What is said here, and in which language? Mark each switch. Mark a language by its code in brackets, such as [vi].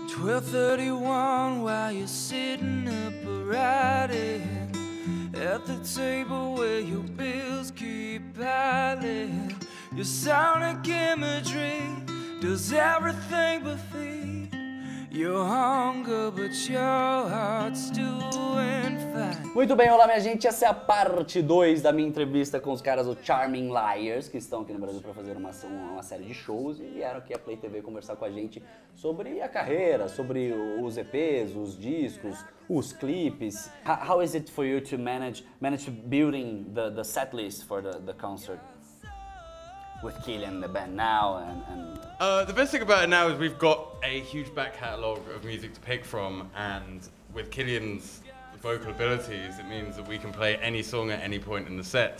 [en] You're 31 while you're sitting up right in at the table where your bills keep piling. Your sonic imagery does everything but feed your hunger, but your heart's doing fine. [pt] Muito bem, olá minha gente, essa é a parte 2 da minha entrevista com os caras, o Charming Liars, que estão aqui no Brasil para fazer uma série de shows e vieram aqui a Playtv conversar com a gente sobre a carreira, sobre os EPs, os discos, os clipes. [en] How is it for you to manage building the set list for the concert with Killian and the band now and... The best thing about it now is we've got a huge back catalog of music to pick from, and with Killian's vocal abilities, it means that we can play any song at any point in the set.